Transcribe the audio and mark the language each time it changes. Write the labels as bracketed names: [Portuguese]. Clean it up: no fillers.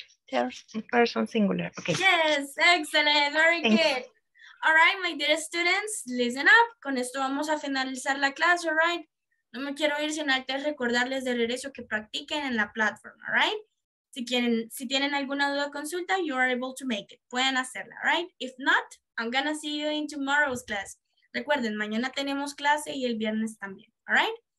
[English] Third person singular, okay. Yes, excellent, very good. All right, my dear students, listen up. [Spanish] Con esto vamos a finalizar la clase, all right? No me quiero ir sin antes recordarles de regreso que practiquen en la plataforma, all right? Si quieren, si tienen alguna duda o consulta, [English] you are able to make it. [Spanish] Pueden hacerla, all right? [English] If not, I'm gonna see you in tomorrow's class. [Spanish] Recuerden, mañana tenemos clase y el viernes también, all right?